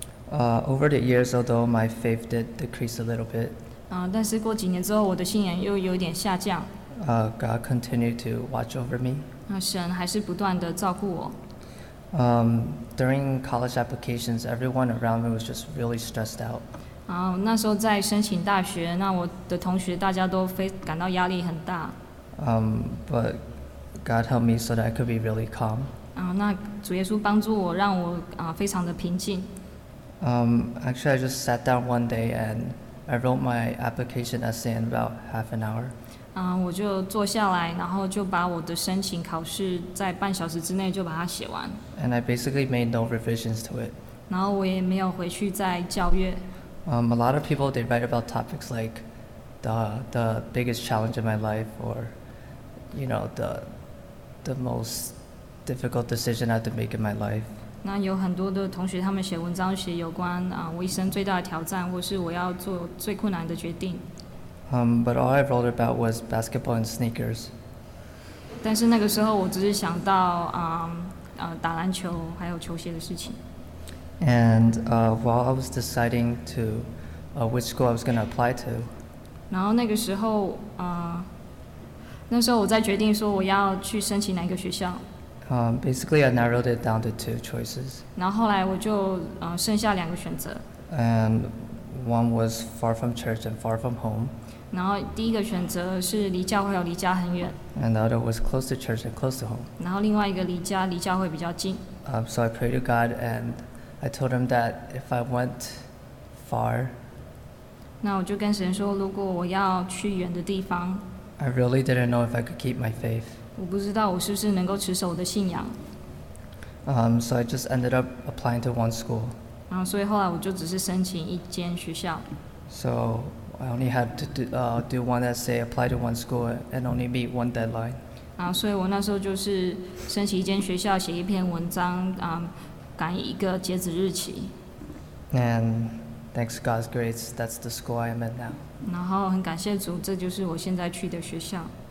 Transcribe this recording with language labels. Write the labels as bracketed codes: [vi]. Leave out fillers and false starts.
[en] Over the years, although my faith did decrease a little bit, [zh] 但是过几年之后，我的信仰又有点下降。 [en] God continued to watch over me. [zh] 神还是不断的照顾我。 [en] During college applications, everyone around me was just really stressed out. [zh] 那时候在申请大学，那我的同学大家都感到压力很大。 [en] But God helped me so that I could be really calm. [zh] 那主耶稣帮助我，让我非常的平静。 [en] Actually, I just sat down one day and I wrote my application essay in about half an hour. [zh] 我就坐下来，然后就把我的申请考试在半小时之内就把它写完。 [en] And I basically made no revisions to it. [zh] 然后我也没有回去再校阅。 [en] A lot of people, they write about topics like the biggest challenge in my life or, you know, the most difficult decision I had to make in my life. [zh] 那有很多的同学，他们写文章写有关我一生最大的挑战，或是我要做最困难的决定。 [en] But all I wrote about was basketball and sneakers. [zh] 但是那个时候，我只是想到打篮球还有球鞋的事情。 [en] And while I was deciding to which school I was going to apply to. [zh] 然后那个时候，那时候我在决定说我要去申请哪个学校。 [en] Basically, I narrowed it down to two choices. [zh] 然后后来我就剩下两个选择。 [en] And one was far from church and far from home. [zh] 然后第一个选择是离教会有离家很远。 [en] And the other was close to church and close to home. [zh] 然后另外一个离教会比较近。 [en] So I prayed to God and I told him that if I went far, [zh] 那我就跟神说，如果我要去远的地方 [en] ，I really didn't know if I could keep my faith. [zh] 我不知道我是不是能够持守我的信仰。 [en] So I just ended up applying to one school. [zh] 所以后来我就只是申请一间学校。 [en] So I only had to do one essay, apply to one school, and only meet one deadline. [zh] 所以我那时候就是申请一间学校，写一篇文章，赶一个截止日期。 [en] And thanks God's grace, that's the school I am at now. [zh] 然后很感谢主，这就是我现在去的学校。